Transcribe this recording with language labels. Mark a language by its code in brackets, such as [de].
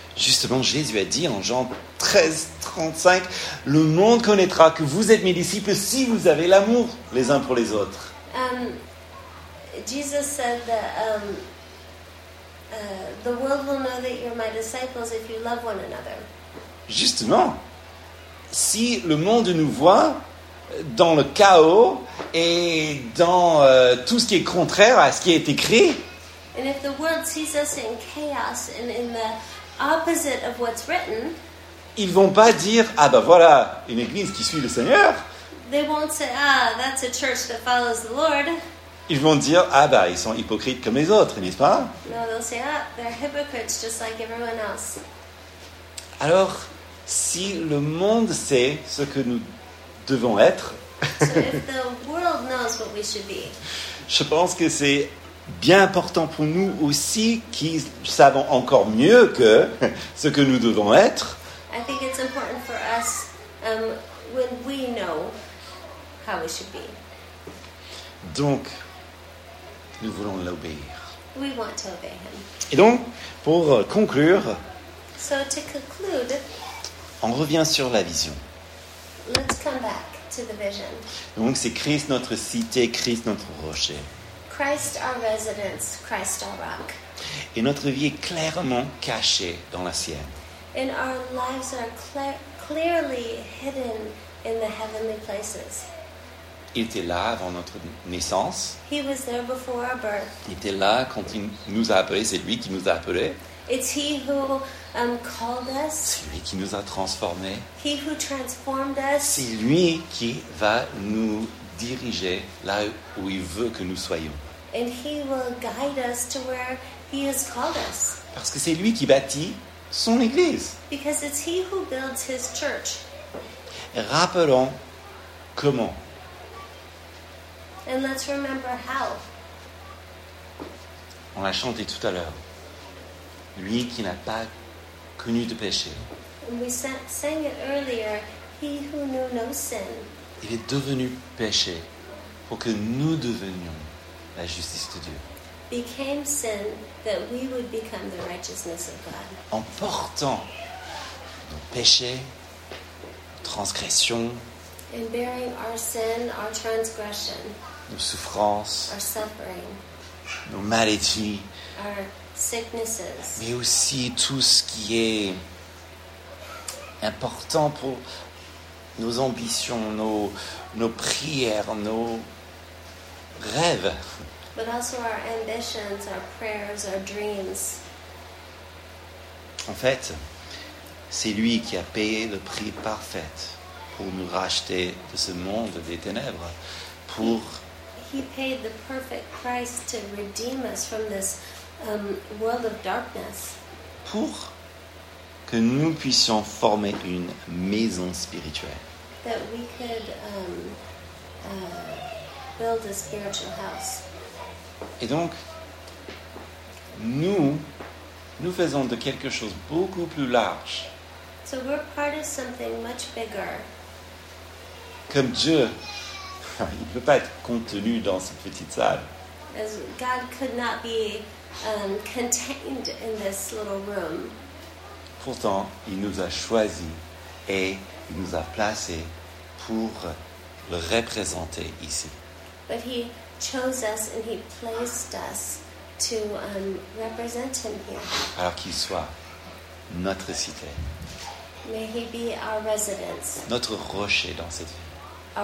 [fr] Justement, Jésus a dit en Jean 13, 35, le monde connaîtra que vous êtes mes disciples si vous avez l'amour les uns pour les autres. [en] Jesus said that the world will know that you're my disciples if you love one another. [fr] Justement, si le monde nous voit dans le chaos et dans tout ce qui est contraire à ce qui est écrit, [en] and if the world sees us in chaos and in the opposite of what's written, [fr] ils vont pas dire ah ben voilà une église qui suit le Seigneur. [en] They won't say ah that's a church that follows the Lord. [fr] Ils vont dire ah ben ils sont hypocrites comme les autres, n'est-ce pas? [en] No, they'll say ah they're hypocrites just like everyone else. [fr] Alors, si le monde sait ce que nous devons être, [en] so if the world knows what we should be, [fr] je pense que c'est bien important pour nous aussi qu'ils savent encore mieux que ce que nous devons être. [en] I think it's important for us when we know how we should be. [fr] Donc, nous voulons l'obéir. [en] We want to obey him. [fr] Et donc, pour conclure, [en] so to conclude, [fr] on revient sur la vision. [en] Let's come back to the vision. [fr] Donc, c'est Christ notre cité, Christ notre rocher. [en] Christ our residence, Christ our rock. [fr] Et notre vie est clairement cachée dans la sienne. [en] And our lives are clearly hidden in the heavenly places. [fr] Il était là avant notre naissance. [en] He was there before our birth. [fr] Il était là quand il nous a appelés. C'est lui qui nous a appelés. [en] It's he who called us. [fr] C'est lui qui nous a transformés. [en] He who transformed us. [fr] C'est lui qui va nous diriger là où il veut que nous soyons. [en] And he will guide us to where he has called us. [fr] Parce que c'est lui qui bâtit son église. [en] Because it's he who builds his church. [fr] Rappelons comment. [en] And let's remember how. [fr] On l'a chanté tout à l'heure. Lui qui n'a pas connu de péché. [en] And we sang it earlier. He who knew no sin. [fr] Il est devenu péché pour que nous devenions la justice de Dieu. [en] Became sin that we would become the righteousness of God. [fr] En portant nos péchés, transgressions, [en] and bearing our sin, our transgression, [fr] nos souffrances, [en] our suffering, [fr] nos maladies, [en] our sicknesses, [fr] mais aussi tout ce qui est important pour nos ambitions, nos prières, nos rêves. [en] But also our ambitions, our prayers, our dreams. [fr] En fait, c'est lui qui a payé le prix parfait pour nous racheter de ce monde des ténèbres, pour [en] he paid the perfect price to redeem us from this world of darkness. [fr] Pour que nous puissions former une maison spirituelle. [en] That we could build a spiritual house. [fr] Et donc, nous faisons de quelque chose beaucoup plus large. [en] So we're part of something much bigger. [fr] Comme Dieu, il ne peut pas être contenu dans cette petite salle. [en] As God could not be contained in this little room. [fr] Pourtant, il nous a choisis et il nous a placés pour le représenter ici. [en] But he chose us and he placed us to represent him here. [fr] Alors qu'il soit notre cité. [en] May he be our residence. [fr] Notre rocher dans cette ville.